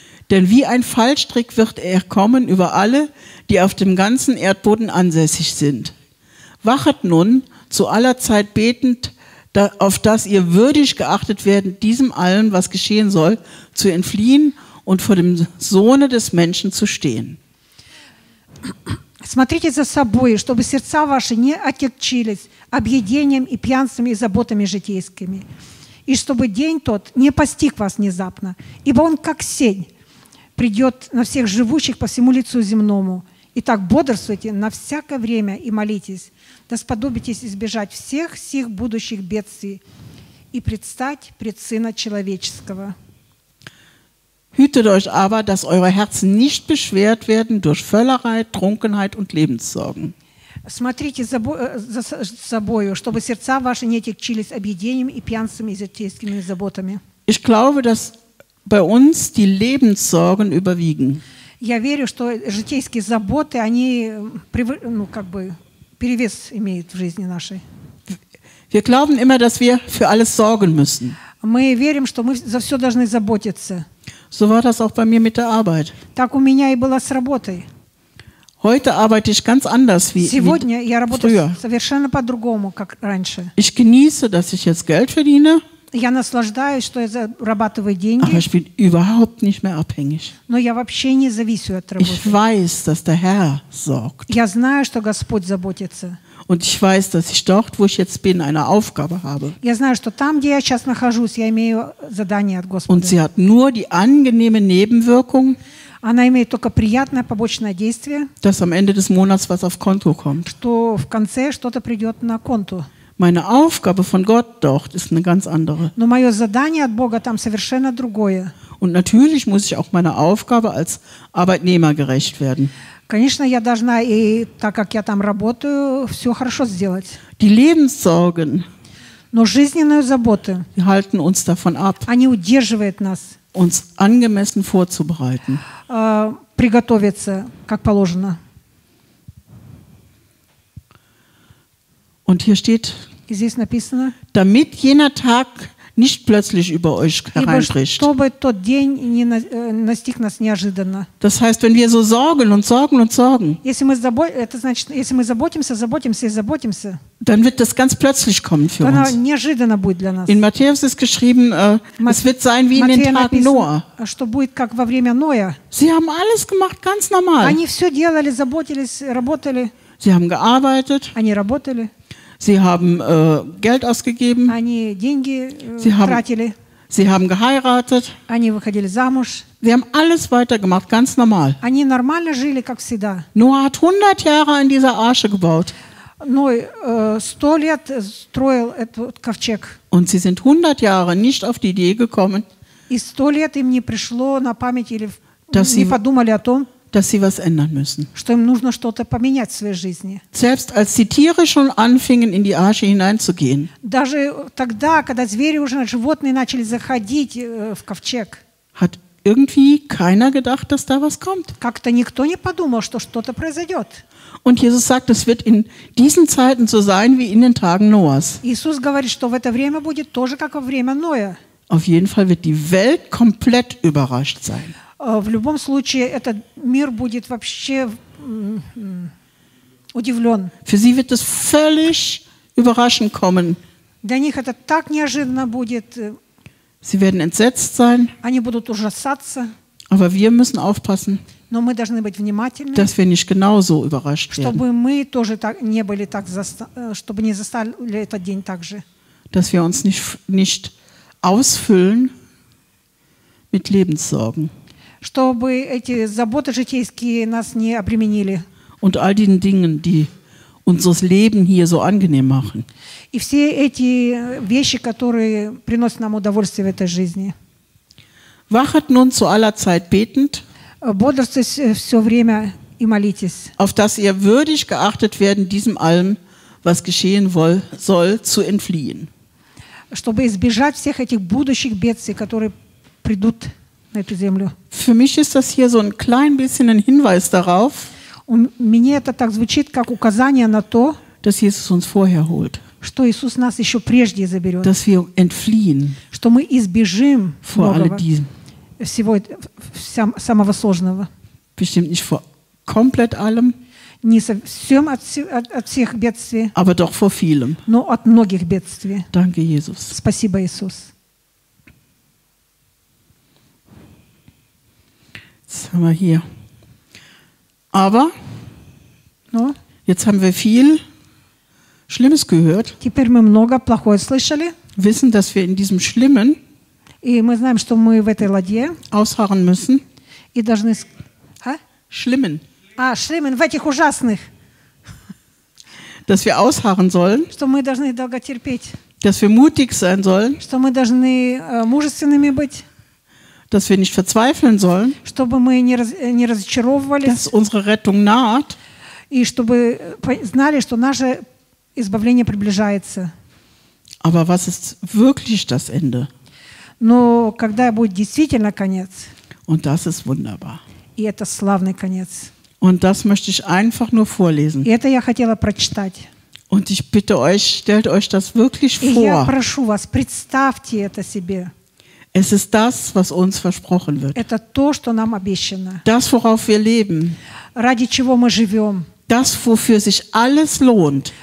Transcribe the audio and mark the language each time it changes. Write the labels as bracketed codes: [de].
[de] Denn wie ein Fallstrick wird er kommen über alle, die auf dem ganzen Erdboden ansässig sind. Wachet nun zu aller Zeit betend, auf dass ihr würdig geachtet werdet, diesem allen, was geschehen soll, zu entfliehen und vor dem Sohne des Menschen zu stehen. [ru] Смотрите за собой, чтобы сердца ваши не отягчились объедением и пьянствами и заботами житейскими, и чтобы день тот не постиг вас внезапно, ибо он, как сень, придет на всех живущих по всему лицу земному. Итак, бодрствуйте на всякое время и молитесь, да сподобитесь избежать всех сих будущих бедствий и предстать пред Сына Человеческого. [de] Hütet euch aber, dass eure Herzen nicht beschwert werden durch Völlerei, Trunkenheit und Lebenssorgen. [ru] Смотрите за собою, чтобы сердца ваши не отягчились объедением и пьянствами и житейскими заботами. [de] Ich glaube, dass bei uns die Lebenssorgen überwiegen. [ru] Я верю, что житейские заботы, они перевес имеют в жизни нашей. [de] Wir glauben immer, dass wir für alles sorgen müssen. [ru] Мы верим, что мы за все должны заботиться. [de] So war das auch bei mir mit der Arbeit. [ru] Так у меня и было с работой. [de] Heute arbeite ich ganz anders wie [ru] сегодня я работаю [de] früher. [ru] Совершенно по-другому, как раньше. [de] Ich genieße, dass ich jetzt Geld verdiene. [ru] Я наслаждаюсь, что я зарабатываю деньги. [de] Aber ich bin überhaupt nicht mehr abhängig. [ru] Но я вообще не зависю от работы. [de] Ich weiß, dass der Herr sorgt. [ru] Я знаю, что Господь заботится. [de] Und ich weiß, dass ich dort, wo ich jetzt bin, eine Aufgabe habe. [ru] Я знаю, что там, где я сейчас нахожусь, я имею задание от Господа. [de] Und sie hat nur die angenehme Nebenwirkung. [ru] Она имеет только приятное побочное действие. [de] Dass am Ende des Monats was auf Konto kommt. [ru] Что в конце что-то придет на конту. [de] Meine Aufgabe von Gott dort ist eine ganz andere. [ru] Но мое задание от Бога там совершенно другое. [de] Und natürlich muss ich auch meiner Aufgabe als Arbeitnehmer gerecht werden. [ru] Конечно, я должна, и так как я там работаю, все хорошо сделать. [de] Die Lebenssorgen, [ru] но жизненные заботы, [de] die halten uns davon ab, [ru] они удерживают нас, [de] uns angemessen vorzubereiten. [ru] Приготовиться, как положено. [de] Und hier steht, [ru] и здесь написано, [de] damit jener Tag nicht plötzlich über euch hereinbricht. [ru] Чтобы тот день не настиг нас неожиданно. [de] Das heißt, wenn wir so sorgen und sorgen und sorgen. [ru] Если мы заботимся, [de] dann wird das ganz plötzlich kommen für uns. [ru] Неожиданно будет для нас. [de] In Matthäus ist geschrieben, es wird sein wie Matthäus in den Tagen Ноа. [ru] Что будет как во время Ноя? [de] Sie haben alles gemacht, ganz normal. [ru] Они все делали, заботились, работали. [de] Sie haben gearbeitet. [ru] Они работали. [de] Sie haben Geld ausgegeben. [ru] Они деньги, тратили. [de] Sie haben geheiratet. [ru] Они выходили замуж. [de] Sie haben alles weitergemacht, ganz normal. [ru] Они нормально жили, как всегда. [de] Noah hat 100 Jahre in dieser Arche gebaut. [ru] Ной 100 лет строил этот ковчег. [de] Und sie sind 100 Jahre nicht auf die Idee gekommen. [ru] И 100 лет им не пришло на память или не подумали о том, [de] dass sie was ändern müssen. [ru] Что им нужно что-то поменять в своей жизни. [de] Selbst als die Tiere schon anfingen, in die Arche hineinzugehen. [ru] Даже тогда, когда звери уже, животные начали заходить в ковчег. [de] Hat irgendwie keiner gedacht, dass da was kommt. [ru] Как-то никто не подумал, что что-то произойдет. [de] Und Jesus sagt, es wird in diesen Zeiten so sein, wie in den Tagen Noahs. [ru] Иисус говорит, что в это время будет тоже, как во время Ноя. [de] Auf jeden Fall wird die Welt komplett überrascht sein. [ru] В любом случае, этот мир будет вообще удивлен. [de] Für sie wird es völlig überraschend kommen. [ru] Для них это так неожиданно будет. [de] Sie werden entsetzt sein. [ru] Они будут ужасаться. [de] Aber wir müssen aufpassen, [ru] но мы должны быть внимательны, [de] dass wir nicht genauso überrascht werden. [ru] Чтобы мы тоже так не были так, чтобы не застали этот день так же. [de] Dass wir uns nicht ausfüllen mit Lebenssorgen. [ru] Чтобы эти заботы житейские нас не обременили. [de] Und all den Dingen, die unseres Leben hier so angenehm machen. [ru] И все эти вещи, которые приносят нам удовольствие в этой жизни. [de] Wachet nun zu aller Zeit betend. [ru] Бодрствуйте все время и молитесь. [de] Auf dass ihr würdig geachtet werden, diesem allem, was geschehen soll, zu entfliehen. [ru] Чтобы избежать всех этих будущих бедствий, которые придут. [de] Für mich ist das hier so ein klein bisschen ein Hinweis darauf, [ru] мне это так звучит, как указание на то, [de] dass Jesus uns vorher holt, [ru] что Иисус нас еще прежде заберет, [de] dass wir entfliehen, [ru] что мы избежим [de] vor all diesem, [ru] всего самого сложного, [de] bestimmt nicht vor komplett allem, [ru] не совсем от всех бедствий, [de] aber doch vor vielem, [ru] но от многих бедствий. [de] Danke, Jesus. [ru] Спасибо, Иисус. [de] Jetzt haben wir hier. Aber no. Jetzt haben wir viel Schlimmes gehört. [ru] Теперь мы много плохое слышали. [de] Wissen, dass wir in diesem Schlimmen [ru] и мы знаем, что мы в этой ладье [de] ausharren müssen. [ru] И должны [de] Schlimmen. [ru] А, Schlimmen, в этих ужасных. [de] Dass wir ausharren sollen. [ru] Что мы должны долго терпеть. [de] Dass wir mutig sein sollen. [ru] Что мы должны мужественными быть. [de] Dass wir nicht verzweifeln sollen, [ru] чтобы мы не разочаровывались, [de] dass unsere Rettung naht, [ru] и чтобы знали, что наше избавление приближается. [de] Aber was ist wirklich das Ende? [ru] Но когда будет действительно конец? [de] Und das ist wunderbar. [ru] И это славный конец. [de] Und das möchte ich einfach nur vorlesen. [ru] И это я хотела прочитать. [de] Und ich bitte euch, stellt euch das wirklich vor. [ru] Я прошу вас, представьте это себе. [de] Es ist das, was uns versprochen wird. [ru] Это то, что нам обещано. [de] Das, worauf wir leben. [ru] Ради чего мы живем. [de] Das, wofür sich alles lohnt.